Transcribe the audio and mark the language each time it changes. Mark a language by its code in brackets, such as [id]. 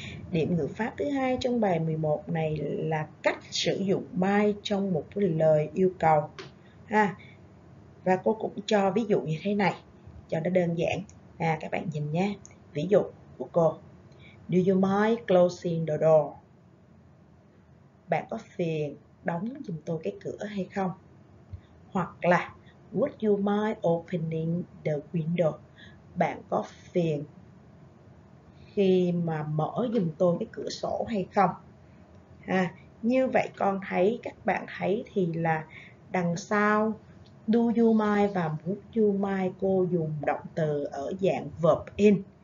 [vi] Điểm ngữ pháp thứ hai trong bài 11 này là cách sử dụng my trong một cái lời yêu cầu. Ha. Và cô cũng cho ví dụ như thế này cho nó đơn giản. À, các bạn nhìn nhé. Ví dụ của cô. [en] Do you mind closing the door? [vi] Bạn có phiền đóng giùm tôi cái cửa hay không? Hoặc là [en] would you mind opening the window? [vi] Bạn có phiền khi mà mở giùm tôi cái cửa sổ hay không? À, như vậy con thấy, các bạn thấy thì là đằng sau [en] do you mind [vi] và [en] would you mind [vi] cô dùng động từ ở dạng verb in.